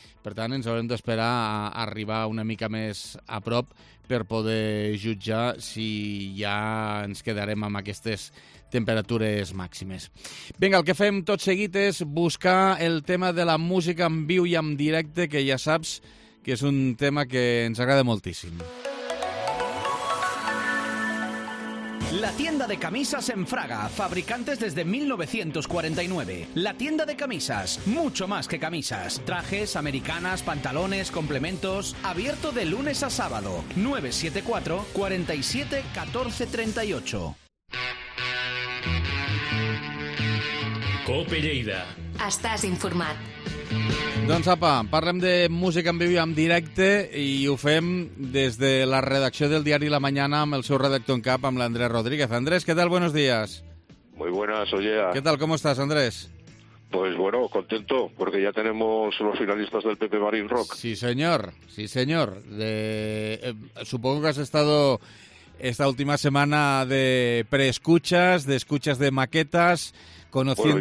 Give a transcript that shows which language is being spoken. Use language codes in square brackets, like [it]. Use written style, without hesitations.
[ca] Per tant, ens haurem d'esperar a arribar una mica més a prop per poder jutjar si ja ens quedarem amb aquestes temperatures màximes. Vinga, el que fem tot seguit és buscar el tema de la música en viu i en directe, que ja saps que és un tema que ens agrada moltíssim. [es] La tienda de camisas en Fraga, fabricantes desde 1949. La tienda de camisas, mucho más que camisas. Trajes, americanas, pantalones, complementos. Abierto de lunes a sábado. 974-47-1438. Cope Lleida. [ca] Estàs informat. Doncs apa, parlem de música en viu i en directe i ho fem des de la redacció del diari La Mañana amb el seu redactor en cap, amb l'Andrés Rodríguez. Andrés, què tal? [es] Buenos días. Muy buenas, oye. ¿Qué tal? ¿Cómo estás, Andrés? Pues bueno, contento, porque ya tenemos los finalistas del Pepe Marín Rock. Sí, señor. Sí, señor. Supongo que has estado esta última semana de preescuchas, de escuchas de maquetas, conociendo